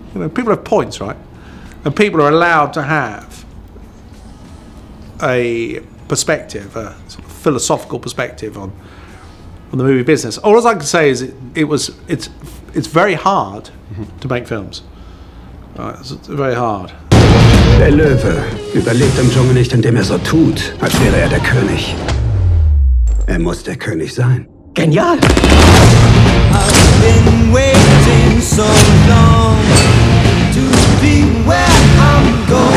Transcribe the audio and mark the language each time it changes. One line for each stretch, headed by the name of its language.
English: You know, people have points, right? And people are allowed to have a perspective, a sort of philosophical perspective on the movie business. All I can say is it's very hard mm-hmm. to make films. Right? It's very hard.
German: Der Löwe überlebt im Dschungel nicht, indem so tut, als wäre der König. Muss der König sein. Genial!
English: I've been waiting so long to be where I'm going.